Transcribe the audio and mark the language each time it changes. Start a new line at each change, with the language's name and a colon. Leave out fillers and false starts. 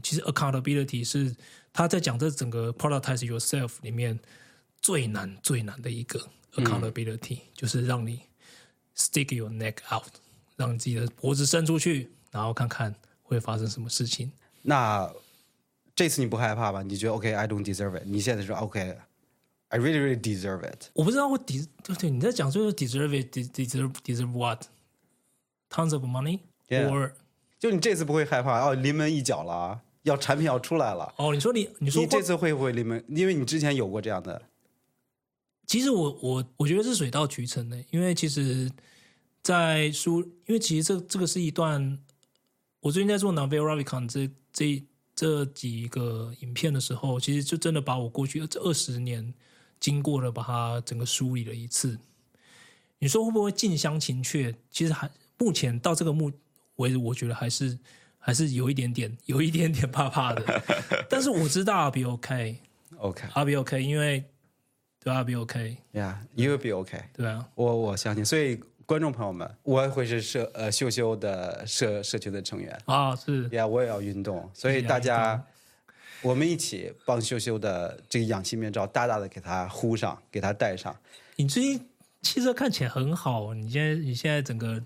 Chinese: 其实 accountability 是他在讲这整个 productize yourself 里面最难最难的一个 accountability。嗯，就是让你
English: stick your neck out，
Chinese: 让自己的脖子伸出去，然后看看会发生什么事情。那这次你不害怕吧？你觉得
English: OK I don't deserve it，
Chinese: 你现在说
English: OK I really really deserve it。
Chinese: 我不知道我 对你在讲就是 deserve it，
English: deserve what？ Tons of money？ Yeah， or
Chinese: 就你这次不会害怕哦，临门一脚了，要产品要出来了哦。你说你这次会不会临门，因为你之前有过这样的。其实我觉得是水到渠成的，因为其实在书，因为其实这个是一段我最近在做 Naveel Ravikant 这几个影片的时候，其实就真的把我过去这二十年经过了把它整个梳理了一次。你说会不会近乡情怯？其实还目前到这个目为止，我觉得还是有一点点怕怕的。但是我知道
English: I'll be OK， OK， I'll be OK，
Chinese: 因为对
English: I'll be OK， Yeah， you will be OK，
Chinese: 对啊，我相信。所以观众朋友们，我会是秀秀的社群的成员啊，是呀， yeah， 我也要运动，所以大家，我们一起帮秀秀的这个氧气面罩大大的给他呼上，给他戴上。你最近气色看起来很好，你现在整个，